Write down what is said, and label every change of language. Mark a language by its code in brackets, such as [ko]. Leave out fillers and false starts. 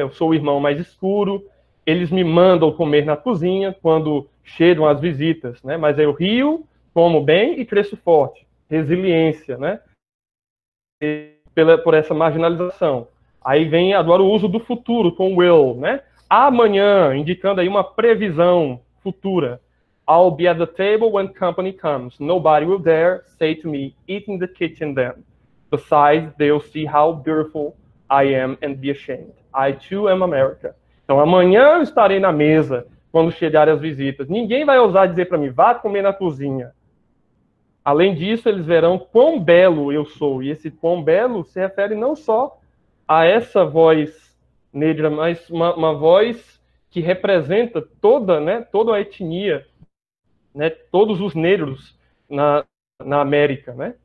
[pt] Eu sou o irmão mais escuro, eles me mandam comer na cozinha quando chegam as visitas, né? Mas eu rio, como bem e cresço forte. Resiliência, né? Por essa marginalização. Aí vem agora o uso do futuro com will, né? Amanhã, indicando aí uma previsão futura. [en] I'll be at the table when company comes. Nobody will dare say to me, eat in the kitchen then. Besides, they'll see how beautiful I am and be ashamed. I too am America. [pt] Então, amanhã eu estarei na mesa quando chegarem as visitas. Ninguém vai ousar dizer para mim, vá comer na cozinha. Além disso, eles verão quão belo eu sou. E esse quão belo se refere não só a essa voz negra, mas uma voz que representa toda, né, toda a etnia, né, todos os negros na América. Né?